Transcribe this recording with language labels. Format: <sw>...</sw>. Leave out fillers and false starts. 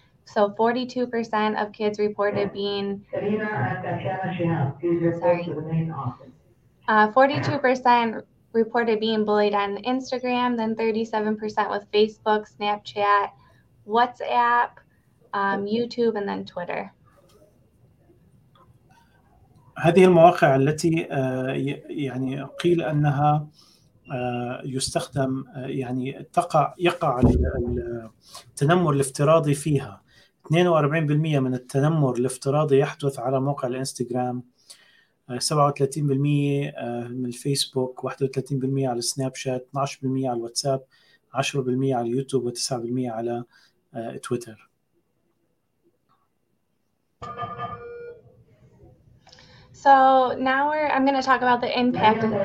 <en>So 42% of kids reported being 42% reported being bullied on Instagram, then 37% with Facebook, Snapchat, WhatsApp, YouTube, and then Twitter.</en> <ar>هذه المواقع التي يعني قيل أنها يستخدم يعني تقع يقع التنمر الافتراضي فيها. 42% من التنمر الافتراضي يحدث على موقع الانستغرام، 37% من الفيسبوك، 31% على سناب شات، 12% على الواتساب، 10% على اليوتيوب، و9% على تويتر.</ar> <en>So now I'm going to talk about the impact.</en>